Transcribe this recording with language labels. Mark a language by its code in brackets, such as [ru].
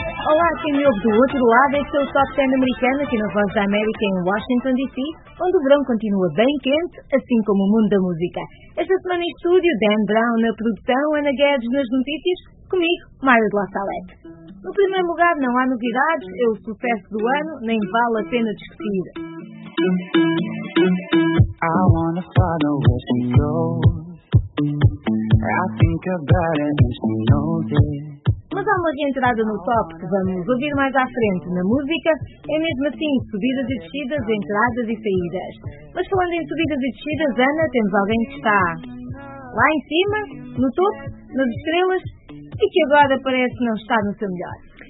[pt] Olá, quem me ouve do outro lado, este é o Top 10 Americano, aqui na Voz da América, em Washington, D.C., onde o verão continua bem quente, assim como o mundo da música. Esta semana em estúdio, Dan Brown na produção, Ana Guedes nas notícias, comigo, Mayra de La Salette. No primeiro lugar, não há novidades, é o sucesso do ano, nem vale a pena discutir. [en] I wanna follow where she goes. I think about it and she knows it. [pt] Mas há uma reentrada no top que vamos ouvir mais à frente na música. É mesmo assim, subidas e descidas, entradas e saídas. Mas falando em subidas e descidas, Ana, temos alguém que está lá em cima, no topo, nas estrelas, e que agora parece não estar no seu melhor.